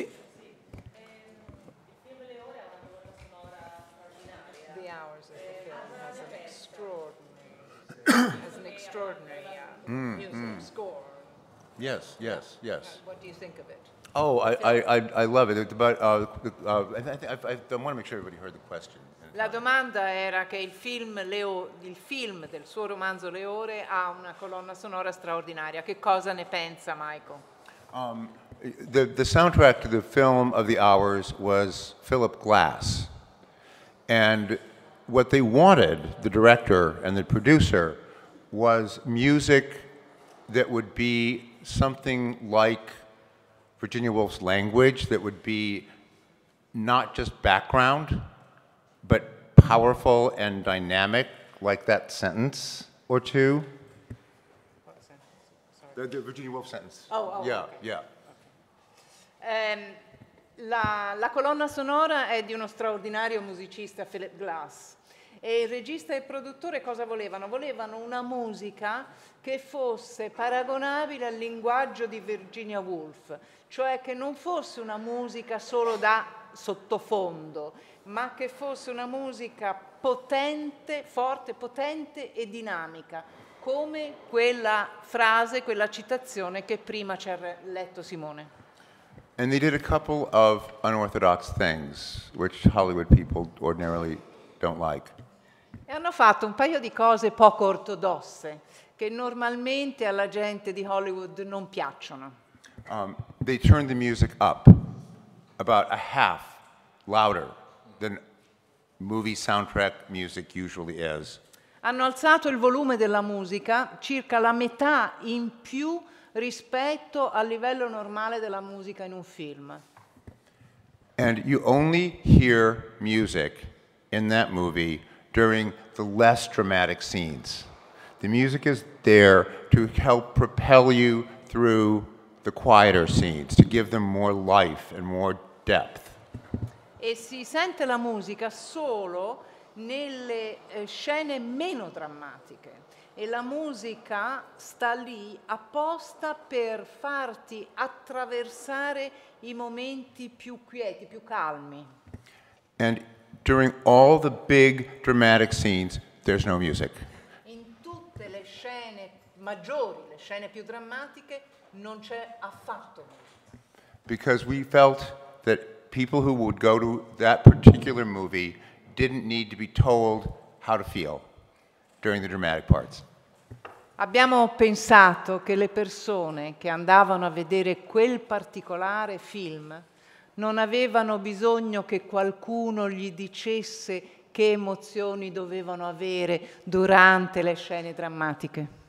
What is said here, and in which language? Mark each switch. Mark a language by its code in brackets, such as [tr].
[it] Il film Le Ore ha una colonna sonora straordinaria. [en] The Hours is the film. It's an extraordinary. It's an extraordinary music score. Yes, yes, yes. What do you think of it? Oh, I love it. I want to make sure everybody heard the question. [it] La domanda era che il film del suo romanzo Le Ore ha una colonna sonora straordinaria. Che cosa ne pensa, Michael? [en] The soundtrack to the film of The Hours was Philip Glass. And what they wanted, the director and the producer, was music that would be something like Virginia Woolf's Language, that would be not just background, but powerful and dynamic, like that sentence or two. What sentence? Sorry. The Virginia Woolf sentence. Oh, oh yeah, okay. Yeah. Okay. [it] La colonna sonora è di uno straordinario musicista, Philip Glass. E il regista e il produttore cosa volevano? Volevano una musica che fosse paragonabile al linguaggio di Virginia Woolf, cioè che non fosse una musica solo da sottofondo, ma che fosse una musica potente, forte, potente e dinamica, come quella frase, quella citazione che prima ci ha letto Simone. [en] And they did a couple of unorthodox things, which Hollywood people ordinarily don't like. [it] E hanno fatto un paio di cose poco ortodosse, che normalmente alla gente di Hollywood non piacciono. [en] They turned the music up about a half louder than movie soundtrack music usually is. [it] Hanno alzato il volume della musica circa la metà in più rispetto al livello normale della musica in un film. [en] And you only hear music in that movie during the less dramatic scenes. The music is there to help propel you through the quieter scenes, to give them more life and more depth. [it] E si sente la musica solo nelle scene meno drammatiche. E la musica sta lì apposta per farti attraversare i momenti più quieti, più calmi. [en] And during all the big dramatic scenes, there's no music. [it] In tutte le scene maggiori, le scene più drammatiche, non c'è affatto musica. [en] Because we felt that people who would go to that particular movie didn't need to be told how to feel during the dramatic parts. [it] Abbiamo pensato che le persone che andavano a vedere quel particolare film non avevano bisogno che qualcuno gli dicesse che emozioni dovevano avere durante le scene drammatiche.